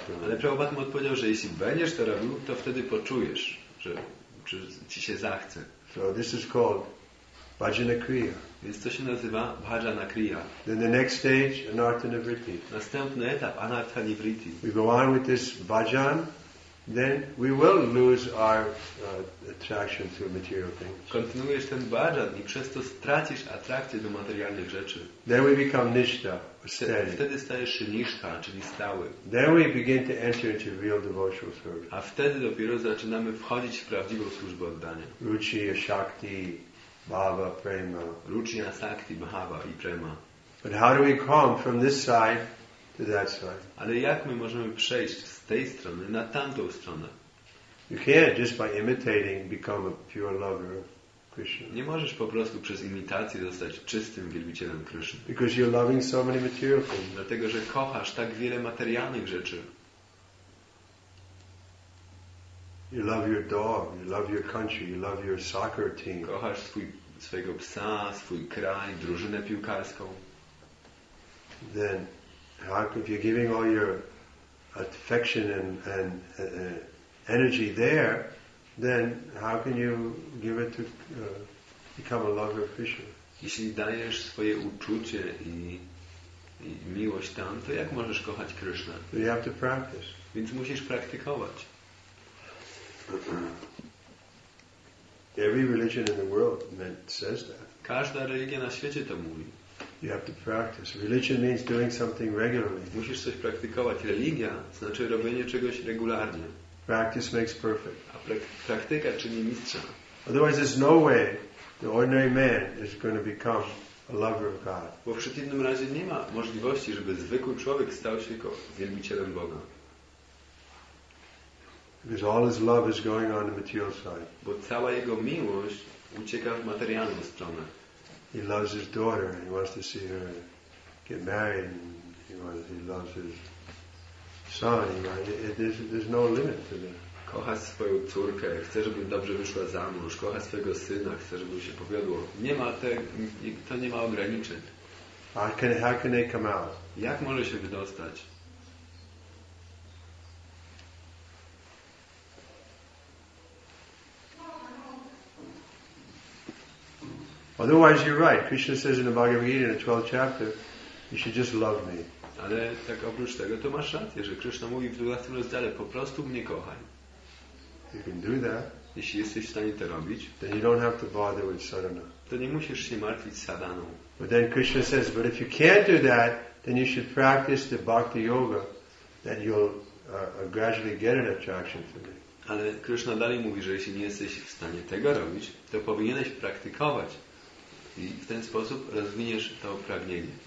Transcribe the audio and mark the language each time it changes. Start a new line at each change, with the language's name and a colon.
Polish: Ale Prabhupada mu odpowiedział, że jeśli będziesz to robił, to wtedy poczujesz, że czy ci się zachce.
English: So this is called Bhajana Kriya.
Polish: Więc to się nazywa Bhajana Kriya.
English: Then the next stage, Anartha Nivritti.
Polish: Następny etap, Anartha Nivritti.
English: We go on with this bhajan. Then we will lose our attraction to material things.
Polish: Kontynuujesz ten bhajan i przez to stracisz atrakcję do materialnych rzeczy.
English: Then we become nishtha, steady.
Polish: Wtedy stajesz się nishtha, czyli stały.
English: Then we begin to enter into real devotional service.
Polish: A wtedy dopiero zaczynamy wchodzić w prawdziwą służbę oddania.
English: Ruchi, shakti, bhava, prema.
Polish: Ruchi, shakti, bhava i prema.
English: But how do we come from this side? To that side.
Polish: Ale jak my możemy przejść z tej strony na tamtą stronę?
English: You can't just by imitating become a pure lover of Krishna.
Polish: Nie możesz po prostu przez imitację zostać czystym wielbicielem Krishna.
English: Because you're loving so many material things.
Polish: Dlatego, że kochasz tak wiele materialnych rzeczy.
English: You love your dog, you love your country, you love your soccer team.
Polish: Kochasz swojego psa, swój kraj, drużynę piłkarską.
English: Then if you're giving all your affection and energy there, then how can you give it to become a lover of Krishna?
Polish: Jeśli dajesz swoje uczucie i miłość tam, to jak możesz kochać Krishna?
English: You have to practice.
Polish: Więc musisz praktykować.
English: Every religion in the world says that.
Polish: Każda religia na świecie to mówi.
English: You have to practice. Religion means doing something regularly.
Polish: Musisz coś praktykować. Religia znaczy robienie czegoś regularnie.
English: Practice makes perfect.
Polish: A praktyka czyni mistrza.
English: Otherwise, there's no way the ordinary man is going to become a lover of God.
Polish: Bo w przeciwnym razie nie ma możliwości, żeby zwykły człowiek stał się wielbicielem Boga.
English: Because all his love is going on the material side.
Polish: Bo cała jego miłość ucieka w materialną stronę.
English: He loves his daughter and he wants to see her get married. He loves his son. There's no limit to that.
Polish: Kocha swoją córkę, chce, żeby dobrze wyszła za mąż. Kocha swojego syna, chce, żeby się powiodło. Nie ma to nie ma ograniczeń.
English: How can they come out?
Polish: Jak może się wydostać?
English: Otherwise, you're right. Krishna says in the Bhagavad Gita, in the 12th chapter, you should just love me.
Polish: Ale tak oprócz tego, to masz rację, że Krishna mówi w 12 rozdziale, po prostu mnie kochaj.
English: You can do that.
Polish: Jeśli jesteś w stanie to robić,
English: then you don't have to bother with sadhana.
Polish: To nie musisz się martwić sadhaną.
English: But then Krishna says, but if you can't do that, then you should practice the bhakti yoga, that you'll gradually get an attraction to me.
Polish: Ale Krishna dalej mówi, że jeśli nie jesteś w stanie tego robić, to powinieneś praktykować. I w ten sposób rozwiniesz to pragnienie.